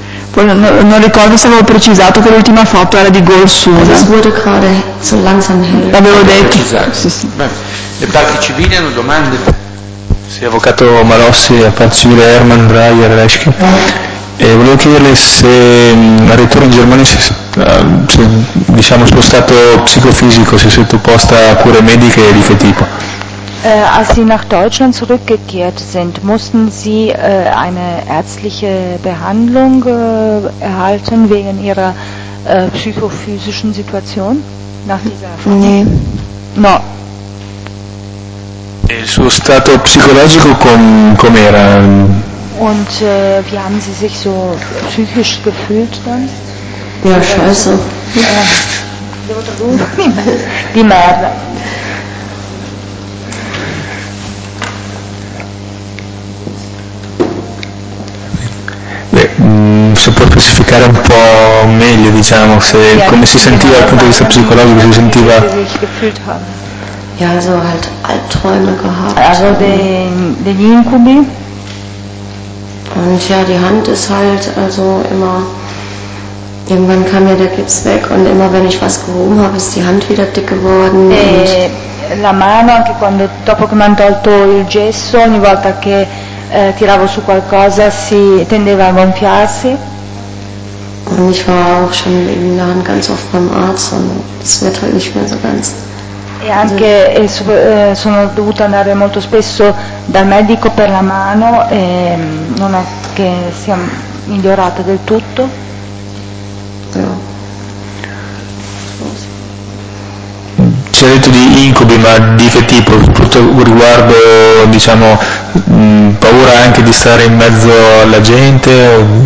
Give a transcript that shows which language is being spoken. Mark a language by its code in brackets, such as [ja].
[it] Poi non ricordo se avevo precisato che l'ultima foto era di Gol Suna. [de] Es wurde gerade so langsam hell. [it] L'avevo detto. Sì, sì. Le parti civili hanno domande. Sì, avvocato Marossi, affari civile Hermann Dreyer Reschke. Volevo chiederle se al ritorno in Germania si è, diciamo, suo stato psicofisico, si è sottoposta a cure mediche di che tipo? [de] Als Sie nach Deutschland zurückgekehrt sind, mussten Sie eine ärztliche Behandlung erhalten wegen Ihrer psychophysischen Situation nach dieser Erfahrung? Nee. [it] No. E il suo stato psicologico com'era? [de] Und wie haben Sie sich so psychisch gefühlt dann? Ja, scheiße. [it] Die merda. Se può specificare un po' meglio, diciamo, se come si sentiva dal punto di vista psicologico, si sentiva. [de] Ja, also halt Albträume gehabt. [it] Also degli incubi. [de] Und ja, die Hand ist halt also immer. Irgendwann kam ja der Gips weg und immer wenn ich was gehoben habe, ist die Hand wieder dick geworden. [it] E la mano anche quando dopo che mi hanno tolto il gesso, ogni volta che tiravo su qualcosa si tendeva a gonfiarsi. [de] Und ich war auch schon wegen der Hand ganz oft beim Arzt und es wird halt nicht mehr so ganz. [it] E anche sono dovuta andare molto spesso dal medico per la mano e non è che sia migliorata del tutto. Ci ha detto di incubi, ma di che tipo? Riguardo, diciamo, paura anche di stare in mezzo alla gente?